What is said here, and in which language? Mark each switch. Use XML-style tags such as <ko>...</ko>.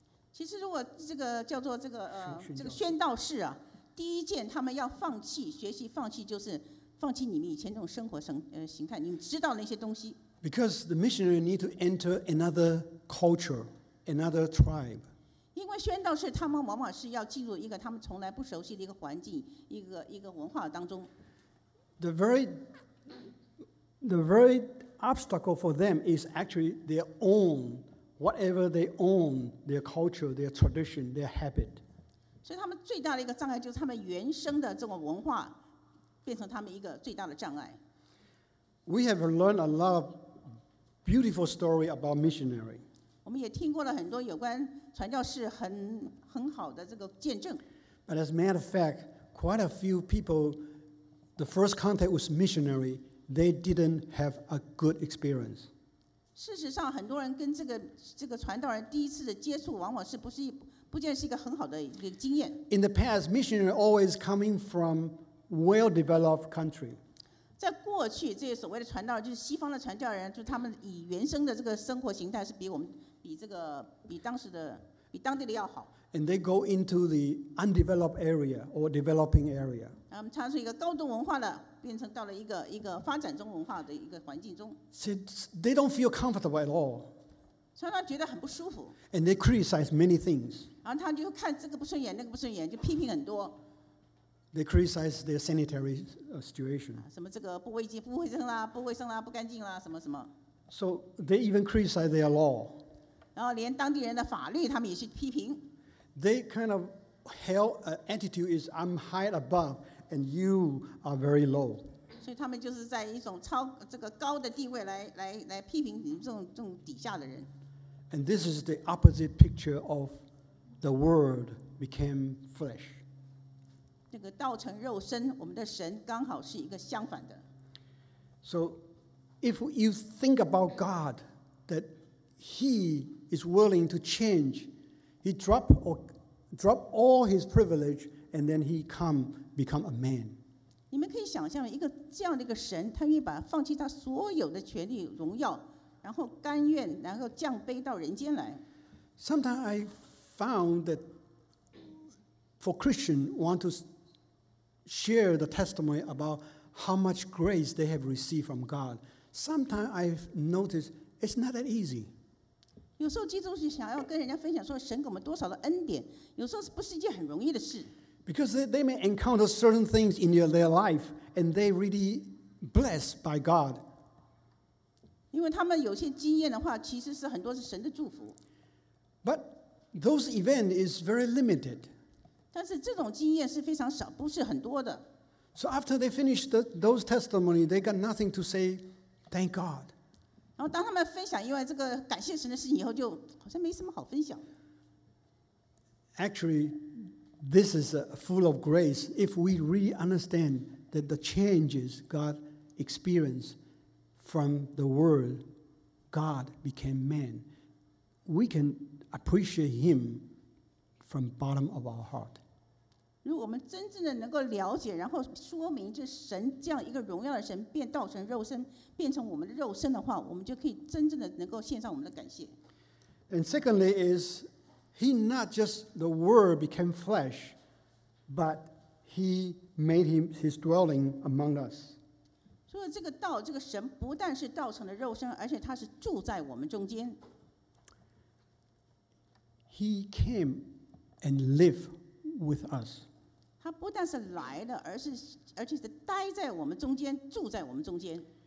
<zh>其实如果这个叫做这个这个宣道士啊，第一件他们要放弃，学习放弃就是放弃你们以前那种生活形态，你们知道那些东西。</zh> <en>Because the missionary need to enter another culture, another tribe.</en> <zh>因为宣道士他们往往是要进入一个他们从来不熟悉的一个环境，一个文化当中。</zh> <en>The very obstacle for them is actually their own, whatever they own, their culture, their tradition, their habit.</en> <zh>所以他们最大的一个障碍就是他们原生的这个文化变成他们一个最大的障碍。</zh> <en>We have learned a lot of beautiful story about missionary.</en> <zh>我们也听过了很多有关传教士很好的这个见证。</zh> <en>But as a matter of fact, quite a few people, the first contact with missionary, they didn't have a good experience.</en> <zh>事实上，很多人跟这个传道人第一次的接触，往往不见是一个很好的一个经验。</zh> <en>In the past, missionary always coming from well-developed country.</en> <zh>在过去，这些所谓的传道，就是西方的传教人，就是他们以原生的这个生活形态是比当地的要好。</zh> <en>And they go into the undeveloped area or developing area.</en> <zh>他们从一个高度文化的变成到了一个发展中文化的一个环境中。</zh> <en>They don't feel comfortable at all.</en> <zh>所以他觉得很不舒服。</zh> <en>And they criticize many things.</en> <zh>然后他就看这个不顺眼，那个不顺眼，就批评很多。</zh> <en>They criticize their sanitary situation.</en> <zh>什么这个不卫生、不卫生啦、不卫生啦、不干净啦，什么什么。</zh> <en>So they even criticize their law.</en> <zh>然后连当地人的法律，他们也去批评。</zh> <en>They kind of held an attitude is I'm high above and you are very low.</en> <zh>所以他们就是在一种超这个高的地位来批评你们这种底下的人。</zh> <en>And this is the opposite picture of the Word became flesh.</en> <zh>这个道成肉身，我们的神刚好是一个相反的。</zh> <en>So, if you think about God, that He is willing to change, He drop all His privilege, and then He become a man.</en> <zh>你们可以想象一个这样的一个神，他愿意把放弃他所有的权力荣耀，然后甘愿然后降卑到人间来。</zh> <en>Sometimes I found that for Christian want to. Share the testimony about how much grace they have received from God. Sometimes I've noticed it's not that easy.</en> <zh>有时候基督徒想要跟人家分享说神给我们多少的恩典，有时候不是一件很容易的事。</zh> <en>Because they may encounter certain things in their life, and they really blessed by God.</en> <zh>因为他们有些经验的话，其实是很多是神的祝福。</zh> <en>But those events is very limited.</en> <zh>但是这种经验是非常少，不是很多的。</zh> <en>So after they finish those testimony, they got nothing to say. Thank God.</en> <zh>然后当他们分享因为这个感谢神的事情以后，就好像没什么好分享。</zh> <en>Actually, this is full of grace. If we really understand that the changes God experienced from the Word, God became man, we can appreciate Him from the bottom of our heart.</en> <zh>如果我们真正的能够了解，然后说明这神这样一个荣耀的神变道成肉身，变成我们的肉身的话，我们就可以真正的能够献上我们的感谢。</zh> <en>And secondly, is He not just the Word became flesh, but He made Him His dwelling among us.</en> <zh>所以这个道，这个神不但是道成的肉身，而且他是住在我们中间。</zh> <en>He came and lived with us.</en> <zh>他不但是来的，而且是待在我们中间，住在我们中间。</zh>